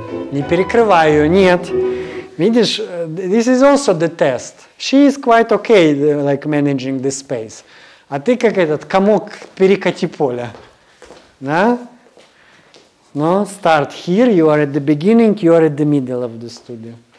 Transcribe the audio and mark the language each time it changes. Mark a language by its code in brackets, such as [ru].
[ru] Не перекрываю, нет. Видишь, [en] this is also the test. She is quite okay, like managing the space. [ru] А ты как этот комок перекати поля. Да? [en] No, start here, you are at the beginning, you are at the middle of the studio.